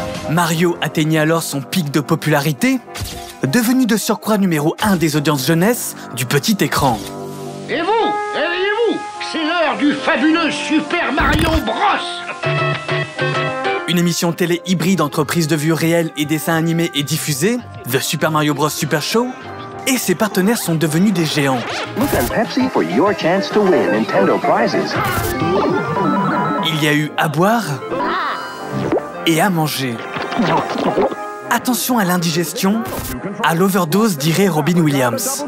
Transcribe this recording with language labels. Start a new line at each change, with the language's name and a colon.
French: Mario atteignait alors son pic de popularité, devenu de surcroît numéro 1 des audiences jeunesse du petit écran. Et vous, éveillez-vous, c'est l'heure du fabuleux Super Mario Bros. Une émission télé hybride entre prise de vue réelle et dessin animé est diffusée, The Super Mario Bros. Super Show, et ses partenaires sont devenus des géants.
English: Look on Pepsi for your chance to win Nintendo prizes.
French: Il y a eu à boire et à manger. Attention à l'indigestion, à l'overdose, dirait Robin Williams.